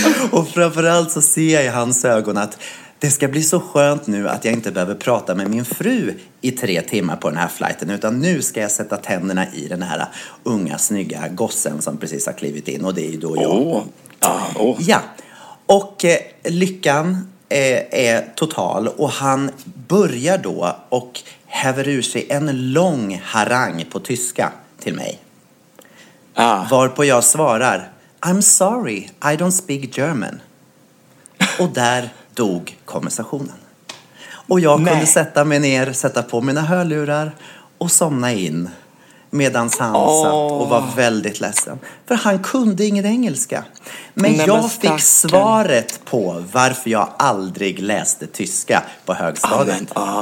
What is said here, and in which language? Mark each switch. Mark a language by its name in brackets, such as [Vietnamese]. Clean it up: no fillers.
[Swedish] Och framförallt så ser jag i hans ögon att det ska bli så skönt nu att jag inte behöver prata med min fru i 3 timmar på den här flighten, utan nu ska jag sätta tänderna i den här unga, snygga gossen som precis har klivit in, och det är ju då jag. Ja. Och lyckan är total, och han börjar då och häver ur sig en lång harang på tyska till mig. Varpå jag svarar: [English] I'm sorry, I don't speak German. [Swedish] Och där dog konversationen. Och jag kunde sätta mig ner, sätta på mina hörlurar och somna in. Medan han satt och var väldigt ledsen. För han kunde ingen engelska. Men jag fick svaret på varför jag aldrig läste tyska på högstadiet.